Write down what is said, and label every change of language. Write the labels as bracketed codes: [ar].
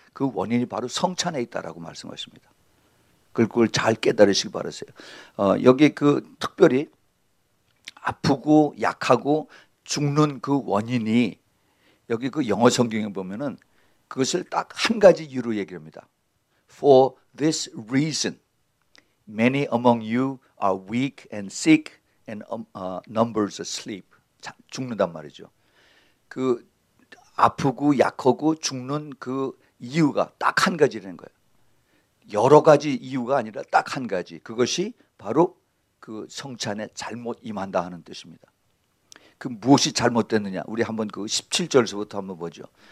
[ko] 그 원인이 바로 성찬에 있다라고 말씀하십니다. 그걸 잘 깨달으시기 바라세요. 여기 특별히 아프고 약하고 죽는 그 원인이, 여기 그 영어 성경에 보면은 그것을 딱한 가지 이유로 얘기합니다. [en] For this reason, many among you are weak and sick and numbers asleep. [ko] 죽는단 말이죠. 그 아프고 약하고 죽는 그 이유가 딱한 가지라는 거예요. 여러 가지 이유가 아니라 딱한 가지. 그것이 바로 그 성찬에 잘못 임한다 하는 뜻입니다. 그 무엇이 잘못됐느냐? 우리 한번 그 17절서부터 한번 보죠.